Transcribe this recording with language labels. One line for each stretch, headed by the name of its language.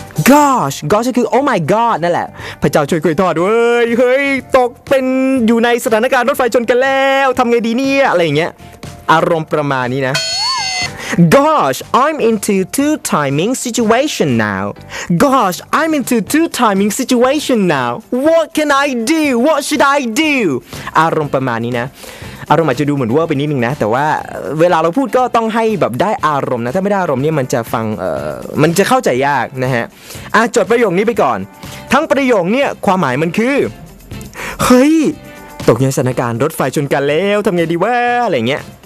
Thai: gosh คือ
English: oh my god
Thai: นั่นแหละพระเจ้าช่วยคุยทอดเฮ้ยตกเป็นอยู่ในสถานการณ์รถไฟชนกันแล้วทำไงดีเนี่ยอะไรอย่างเงี้ยอารมณ์ประมาณนี้นะ
English: Gosh, I'm into two timing situation now. Gosh, I'm into two timing situation now. What can I do? What should I do?
Thai: อารมณ์ประมาณนี้นะอารมณ์อาจจะดูเหมือนว่าไปนิดนึงนะแต่ว่าเวลาเราพูดก็ต้องให้แบบได้อารมณ์นะถ้าไม่ได้อารมณ์เนี่ยมันจะฟังมันจะเข้าใจยากนะฮะจดประโยคนี้ไปก่อนทั้งประโยคเนี่ยความหมายมันคือ เฮ้ยตกในสถานการณ์รถไฟชนกันแล้วทำไงดีวะอะไรอย่างเงี้ย